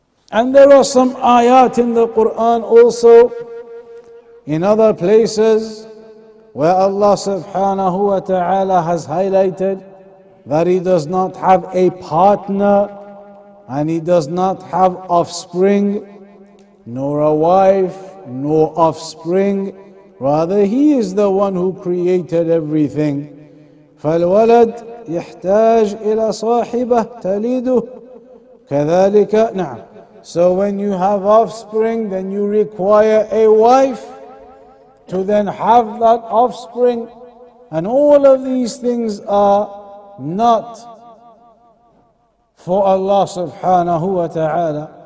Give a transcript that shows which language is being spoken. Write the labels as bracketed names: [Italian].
[English] And there are some ayat in the Quran also, in other places, where Allah subhanahu wa ta'ala has highlighted that He does not have a partner, and He does not have offspring, nor a wife, nor offspring. Rather, He is the one who created everything. [Arabic] فالولد يحتاج إلى صاحبة تليده كذلك. نعم. [English] So when you have offspring, then you require a wife to then have that offspring. And all of these things are not for Allah subhanahu wa ta'ala.